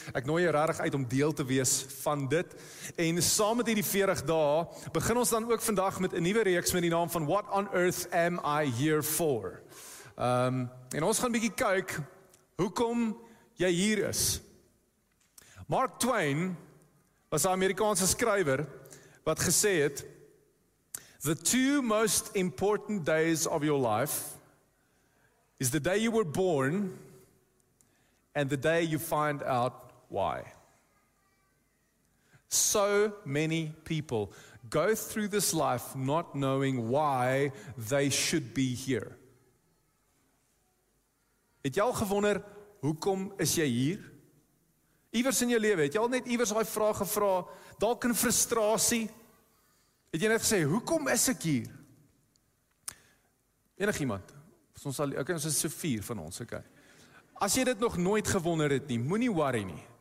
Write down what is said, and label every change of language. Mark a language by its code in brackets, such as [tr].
[af] Ek nooi jou regtig uit om deel te wees van dit. En saam met die 40 dae, begin ons dan ook vandag met 'n nuwe reeks met die naam van What on Earth Am I Here For? En ons gaan bietjie kyk hoekom jy hier is. Mark Twain was 'n Amerikaanse skrywer wat gesê het, [en] "The two most important days of your life is the day you were born and the day you find out why." So many people go through this life not knowing why they should be here. [af] Het jy al gewonder, hoekom is jy hier? Iewers in jou lewe, het jy al net iewers daai vraag gevra, dalk in frustrasie, het jy net gesê, hoekom is ek hier? Enig iemand? Ons sal, okay, ons is so vier van ons, okay. As jy dit nog nooit gewonder het nie, moenie worry nie.